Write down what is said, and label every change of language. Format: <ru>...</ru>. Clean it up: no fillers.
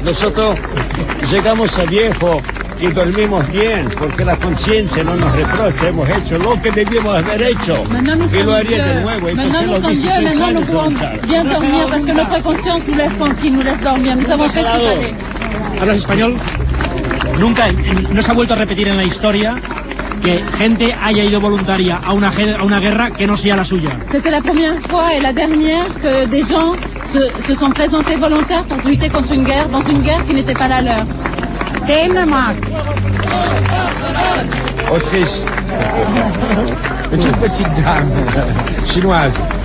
<es>Nosotros llegamos a viejo. Y dormimos bien, porque la conciencia no nos reprocha, hemos hecho lo que debíamos haber hecho. Y lo haría de nuevo.</es> <fr>Maintenant nous sommes vieux, maintenant nous pouvons bien dormir, parce que notre conscience nous laisse tranquille, nous laisse dormir. Nous avons fait ce qu'il fallait.</fr> <es>¿Hablas español? Nunca, no se ha vuelto a repetir en la historia que gente haya ido voluntaria a una guerra que no sea la suya.</es> <fr>C'était la première fois et la dernière que des gens se sont présentés volontaires pour lutter contre une guerre, dans une guerre qui n'était pas la leur.</fr> <de>Dänemark.</de> <fr>Autriche. Une petite dame chinoise.</fr>